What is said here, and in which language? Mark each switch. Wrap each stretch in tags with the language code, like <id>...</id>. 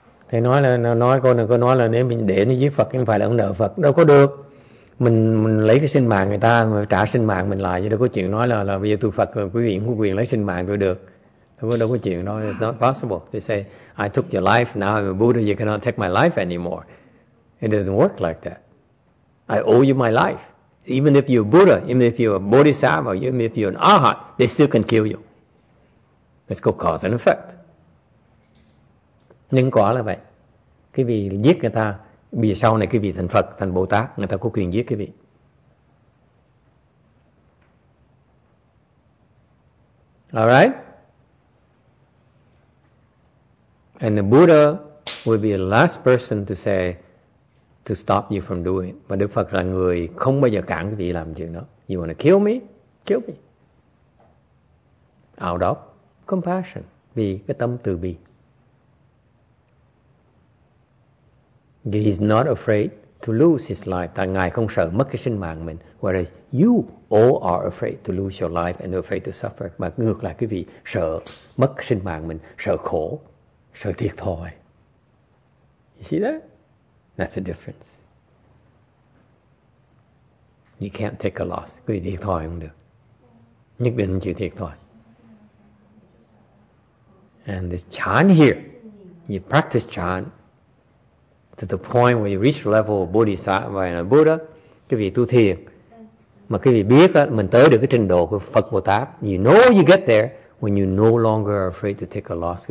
<vi>Thầy nói là nói con đừng có nói là nếu mình để nó giết Phật không phải là ông nợ Phật, đâu có được. Mình lấy cái sinh mạng người ta mà trả sinh mạng mình lại, chứ đâu có chuyện nói là bây giờ tôi Phật quý vị có quyền lấy sinh mạng tôi được. Đâu có chuyện nói.</vi> <en>It's not possible. They say I took your life, now I'm a Buddha, you cannot take my life anymore. It doesn't work like that. I owe you my life. Even if you're a Buddha, even if you're a Bodhisattva, even if you're an Arhat, they still can kill you. It's called cause and effect.</en> <vi>Nhân quả là vậy. Cái vị giết người ta, vì sau này cái vị thành Phật, thành Bồ Tát, người ta có quyền giết cái vị.</vi> <en>Alright? And the Buddha will be the last person to say to stop you from doing.</en> <vi>Mà Đức Phật là người không bao giờ cản quý vị làm chuyện đó.</vi> <en>You want to kill me? Kill me. Out of compassion.</en> <vi>Vì cái tâm từ bi.</vi> <en>He is not afraid to lose his life.</en> <vi>Tại Ngài không sợ mất cái sinh mạng mình.</vi> <en>Whereas you all are afraid to lose your life and afraid to suffer.</en> <vi>Mà ngược lại quý vị sợ mất sinh mạng mình, sợ khổ, sợ thiệt thòi.</vi> <en>You see that? That's the difference. You can't take a loss.</en> <vi>Quý vị thiệt thòi không được. Nhất định chịu thiệt thòi.</vi> <en>And this chan here, you practice chan to the point where you reach the level of Bodhisattva and Buddha,</en> <vi>quý vị tu thiền. Mà quý vị biết đó, mình tới được cái trình độ của Phật Bồ Tát.</vi> <en>You know you get there when you no longer are afraid to take a loss.</en>